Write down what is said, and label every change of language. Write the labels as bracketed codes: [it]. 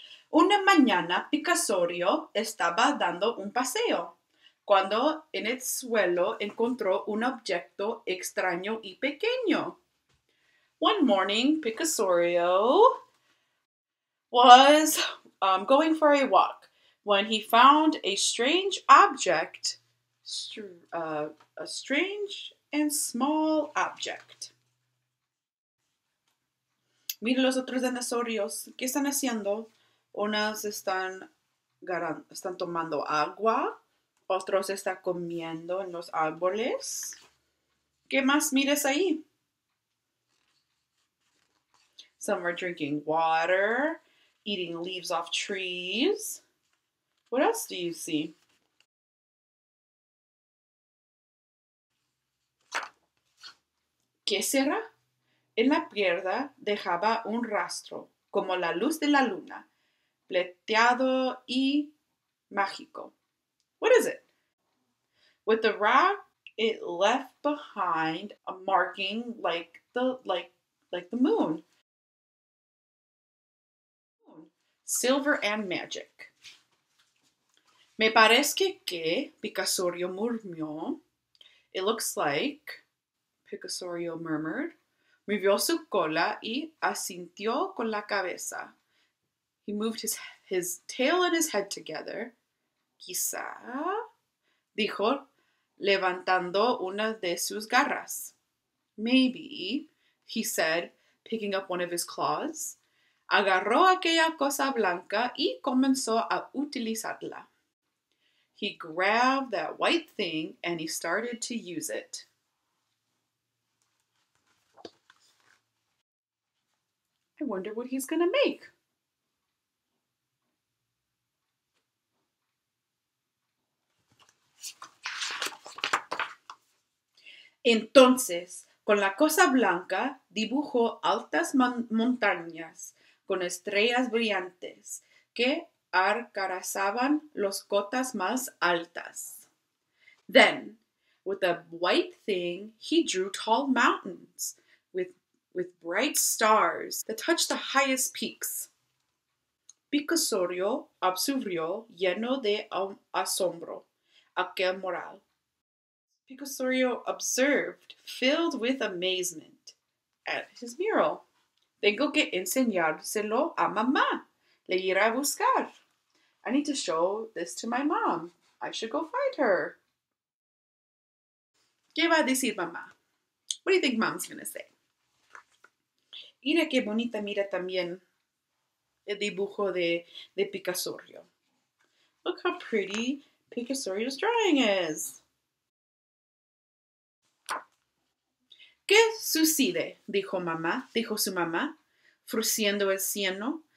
[es] Una mañana, Picasorio estaba dando un paseo, cuando en el suelo encontró un objeto extraño y pequeño. [en] One morning, Picasorio was going for a walk when he found a strange object, a strange and small object. [es] Mira los otros dinosaurios. ¿Qué están haciendo? Unas están tomando agua. Otros están comiendo en los árboles. ¿Qué más miras ahí? [en] Some are drinking water, eating leaves off trees. What else do you see? [es] ¿Qué será? En la piedra dejaba un rastro, como la luz de la luna, plateado y mágico. [en] What is it? With the rock, it left behind a marking like the moon. Silver and magic. [es] Me parece que Picasorio murmuró. [en] It looks like, Picasorio murmured. [es] Movió su cola y asintió con la cabeza. [en] He moved his tail and his head together. [es] Quizá, dijo, levantando una de sus garras. [en] Maybe, he said, picking up one of his claws. [es] Agarró aquella cosa blanca y comenzó a utilizarla. [en] He grabbed that white thing and he started to use it. I wonder what he's gonna make. [es] Entonces, con la cosa blanca, dibujó altas montañas con estrellas brillantes que arcarazaban las cotas más altas. [en] Then, with a white thing, he drew tall mountains with bright stars that touched the highest peaks. [es] Picasorio observó lleno de asombro aquel mural. [en] Picasorio observed, filled with amazement, at his mural. [es] Tengo que enseñárselo a mamá. Le iré a buscar. [en] I need to show this to my mom. I should go find her. [es] ¿Qué va a decir mamá? [en] What do you think mom's going to say? [es] Mira qué bonita mira también el dibujo de Picasorio. [en] Look how pretty Picasorio's drawing is. [es] ¿Qué sucede? Dijo su mamá, frunciendo el ceño.